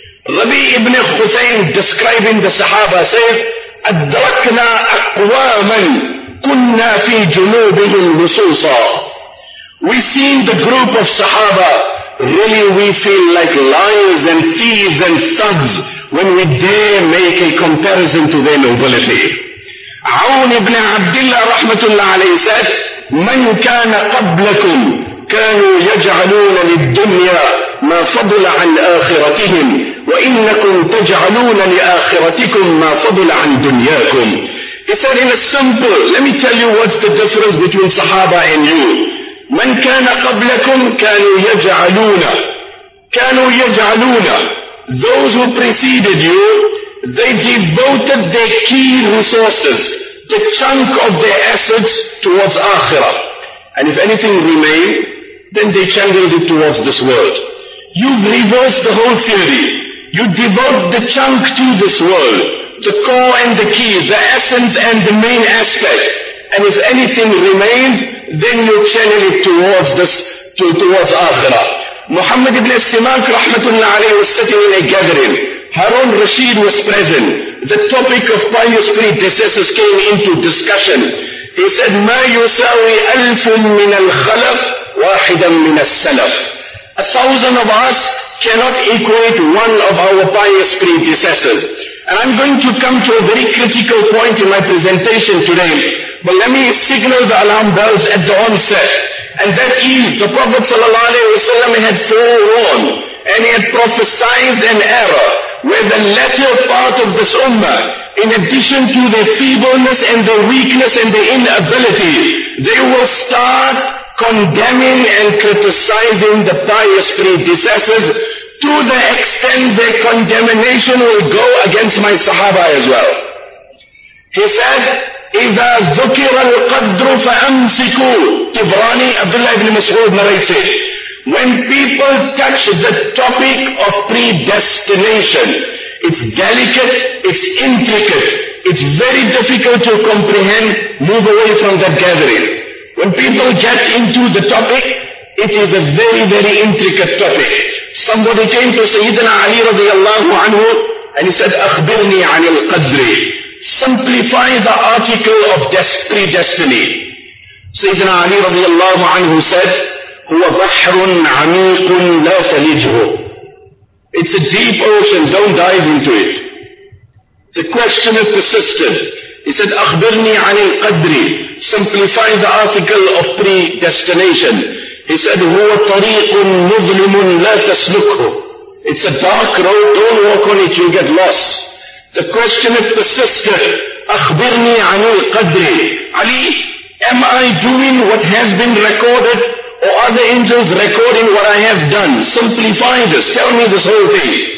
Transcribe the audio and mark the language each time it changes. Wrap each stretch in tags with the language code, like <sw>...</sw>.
<en>Rabi ibn Khuthayn, describing the Sahaba, says,</en> <ar>أَدْرَكْنَا أَقْوَامًا كُنَّا فِي جُنُوبِهِمْ لُسُوصًا.</ar> <en>We seen the group of Sahaba, really we feel like liars and thieves and thugs when we dare make a comparison to their nobility.</en> <ar>عون ابن عبد الله رحمة الله عليه</ar> <en>said,</en> <ar>من كان قبلكم كانوا يجعلون للدنيا ما فضل عن آخرتهم وإنكم تجعلون لآخرتكم ما فضل عن دنياكم.</ar> <en>He said in a simple, let me tell you what's the difference between Sahaba and you.</en> <ar>من كان قبلكم كانوا يجعلون, كانوا يجعلون,</ar> <en>those who preceded you, they devoted their key resources, the chunk of their assets towards Akhirah. And if anything remained, then they channeled it towards this world. You've reversed the whole theory. You devote the chunk to this world, the core and the key, the essence and the main aspect. And if anything remains, then you channel it towards this, towards Akhirah. Muhammad ibn Simak rahmatullah alayhi was sitting in a gathering. Harun Rashid was present. The topic of pious predecessors came into discussion. He said,</en> <ar>ما يساوي ألف من الخلف واحدا من السلف.</ar> <en>1,000 of us cannot equate one of our pious predecessors. And I'm going to come to a very critical point in my presentation today. But let me signal the alarm bells at the onset. And that is, the Prophet sallallahu alaihi wasallam had forewarned, and he had prophesied an era where the latter part of this ummah, in addition to their feebleness and their weakness and their inability, they will start condemning and criticizing the pious predecessors to the extent their condemnation will go against my Sahaba as well. He said,</en> <ar>إِذَا ذُكِرَ الْقَدْرُ فَأَمْسِكُوا.</ar> <en>Tibrani, Abdullah ibn Mas'ud narrates it. When people touch the topic of predestination, it's delicate, it's intricate, it's very difficult to comprehend, move away from that gathering. When people get into the topic, it is a very, very intricate topic. Somebody came to Sayyidina Ali radiallahu anhu and he said,</en> <ar>أَخْبِرْنِي عَنِ الْقَدْرِ.</ar> <en>Simplify the article of predestiny. Sayyidina Ali radiallahu anhu said,</en> <ar>هُوَ بَحْرٌ عَمِيقٌ لَا تَلِجْهُ.</ar> <en>It's a deep ocean, don't dive into it. The questioner persisted. He said,</en> <ar>أَخْبِرْنِي عَنِ الْقَدْرِ.</ar> <en>Simplify the article of predestination. He said,</en> <ar>هُوَ طَرِيقٌ مُظْلِمٌ لَا تَسْلُكْهُ.</ar> <en>It's a dark road, don't walk on it, you'll get lost. The questioner persisted,</en> <ar>أَخْبِرْنِي عَنِ الْقَدْرِ.</ar> <en>Ali, am I doing what has been recorded, or are the angels recording what I have done? Simplify this, tell me this whole thing.</en>